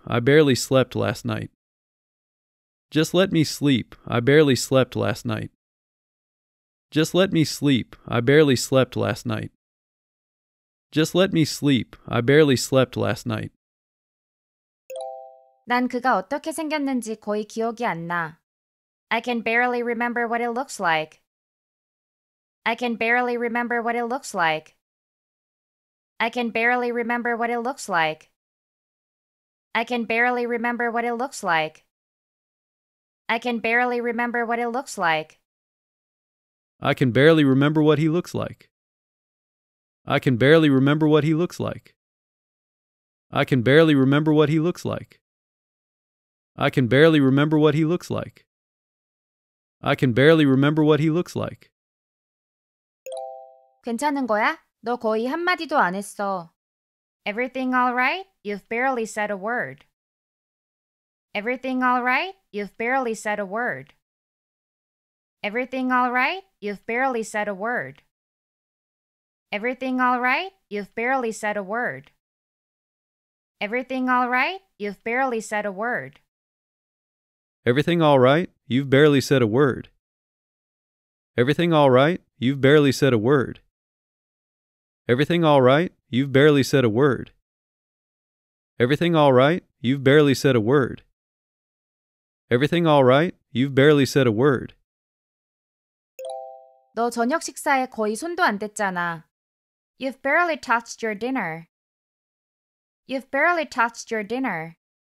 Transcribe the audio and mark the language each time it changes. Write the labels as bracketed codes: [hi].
[en] I barely slept last night. Just let me sleep. I barely slept last night. Just let me sleep. I barely slept last night. Just let me sleep. I barely slept last night. [ko] 난 그가 어떻게 생겼는지 거의 기억이 안 나. [en] I can barely remember what it looks like. I can barely remember what it looks like. I can barely remember what it looks like. I can barely remember what it looks like. I can barely remember what it looks like. I can barely remember what he looks like. I can barely remember what he looks like. I can barely remember what he looks like. I can barely remember what he looks like. I can barely remember what he looks like. [ko] 괜찮은 거야? 너 거의 한마디도 안 했어. [en] Everything all right? You've barely said a word. Everything all right? You've barely said a word. Everything all right? You've barely said a word. Everything all right? You've barely said a word. Everything all right? You've barely said a word. Everything all right? You've barely said a word. Everything all right? You've barely said a word. Everything all right? You've barely said a word. Everything all right? You've barely said a word. Everything all right? You've barely said a word. [ko] 너 저녁 식사에 거의 손도 안 댔잖아. [en] You've barely touched your dinner. You've barely touched your dinner.